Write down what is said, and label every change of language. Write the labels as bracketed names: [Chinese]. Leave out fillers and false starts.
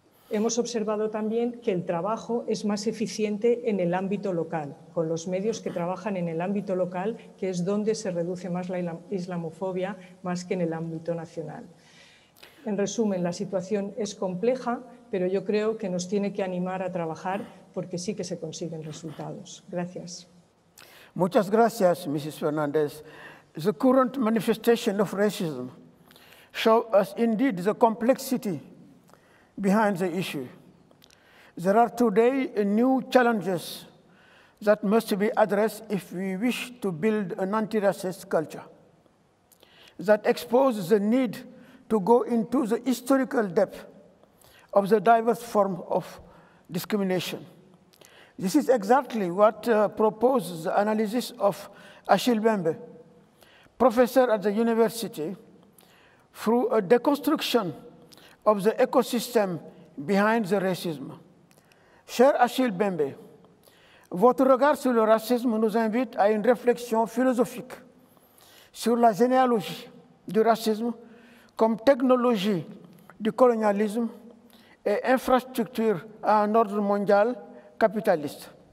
[Spanish] Hemos observado también que el trabajo es más eficiente en el ámbito local, con los medios que trabajan en el ámbito local, que es donde se reduce más la islamofobia más que en el ámbito nacional. En resumen, la situación es compleja, pero yo creo que nos tiene que animar a trabajar porque sí que se consiguen resultados. Gracias. Muchas gracias, Mrs. Fernandez. [English] The current manifestation of racism shows us indeed the complexity behind the issue. There are today new challenges that must be addressed if we wish to build an anti-racist culture that exposes the need to go into the historical depth of the diverse form of discrimination. This is exactly what proposes the analysis of Achille Mbembe, professor at the university, through a deconstruction of the ecosystem behind the racism. [French] Cher Achille Mbembe, votre regard sur le racisme nous invite à une réflexion philosophique sur la généalogie du racisme comme technologie du colonialisme et infrastructure à un ordre mondial capitaliste.